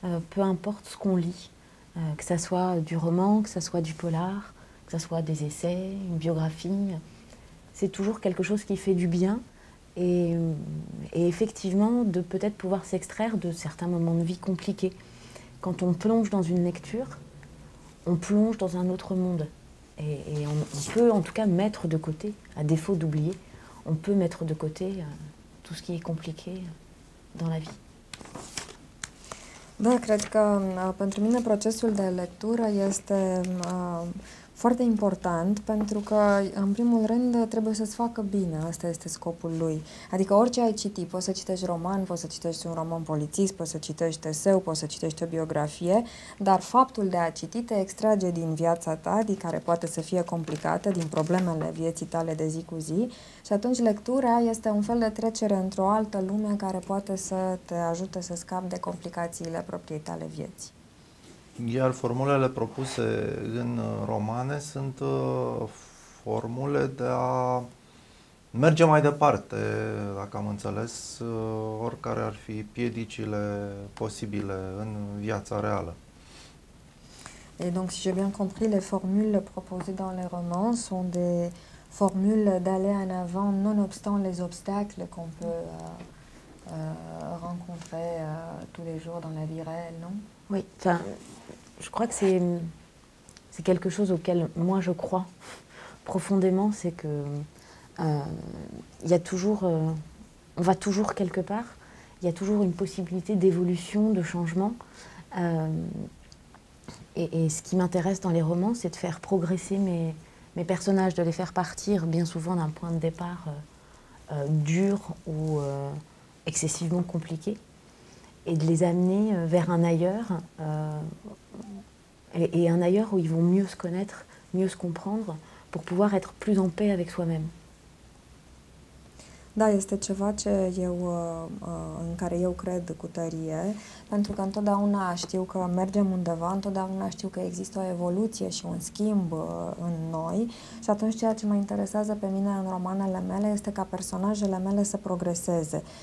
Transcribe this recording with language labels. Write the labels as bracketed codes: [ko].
[fr] Peu importe ce qu'on lit, que ça soit du roman, que ça soit du polar, que ce soit des essais, une biographie, c'est toujours quelque chose qui fait du bien et effectivement de peut-être pouvoir s'extraire de certains moments de vie compliqués. Quand on plonge dans une lecture, on plonge dans un autre monde et on peut en tout cas mettre de côté, à défaut d'oublier, on peut mettre de côté tout ce qui est compliqué dans la vie. [ro] Da, cred că pentru mine procesul de lectură este foarte important pentru că, în primul rând, trebuie să-ți facă bine. Asta este scopul lui. Adică orice ai citit, poți să citești roman, poți să citești un roman polițist, poți să citești eseu, poți să citești o biografie, dar faptul de a citi te extrage din viața ta, din care poate să fie complicată, din problemele vieții tale de zi cu zi, și atunci lectura este un fel de trecere într-o altă lume care poate să te ajute să scapi de complicațiile propriei tale vieți. Iar formulele propuse în romane sunt formule de a merge mai departe, dacă am înțeles, oricare ar fi piedicile posibile în viața reală. [fr] Et donc, si j'ai bien compris, les formules proposées dans les romans sont des formules d'aller en avant nonobstant les obstacles qu'on peut rencontrer tous les jours dans la vie réelle, non? Oui, enfin, je crois que c'est quelque chose auquel moi je crois profondément, c'est que il y a toujours, on va toujours quelque part, il y a toujours une possibilité d'évolution, de changement. Et ce qui m'intéresse dans les romans, c'est de faire progresser mes personnages, de les faire partir bien souvent d'un point de départ dures ou excessivement compliquées et de les amener vers un ailleurs et un ailleurs où ils vont mieux se connaître, mieux se comprendre pour pouvoir être plus en paix avec soi-même. [ro] Da, este ceva ce eu, în care eu cred cu tărie, pentru că întotdeauna știu că mergem undeva, întotdeauna știu că există o evoluție și un schimb în noi și atunci ceea ce mă interesează pe mine în romanele mele este ca personajele mele să progreseze.